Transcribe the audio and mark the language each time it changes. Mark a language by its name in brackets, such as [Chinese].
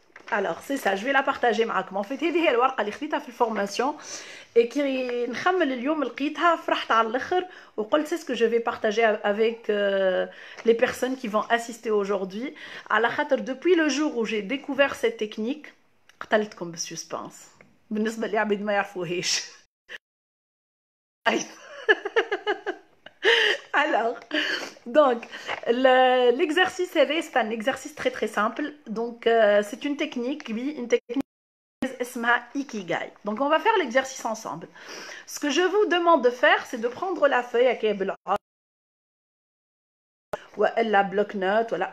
[French] Alors, c'est ça, je vais la partager avec vous. En fait, c'est la [Arabic] ورقة [French] que j'ai prise dans la formation et qui [Arabic] nkhammel اليوم لقيتها فرحت على الاخر [French] et [Arabic] قلت [French] c'est ce que je vais partager avec les personnes qui vont assister aujourd'hui. À la [Arabic] خاطر [French] depuis le jour où j'ai découvert cette technique, [Arabic] قتلتكم بالسسبانس. بالنسبة لي عبيد ما يعرفوهاش. [French] Alors, donc, l'exercice CV, c'est un exercice très très simple. Donc, c'est une technique, oui, une technique qui s'appelle Ikigai. Donc, on va faire l'exercice ensemble. Ce que je vous demande de faire, c'est de prendre la feuille à ou la bloc-note, voilà.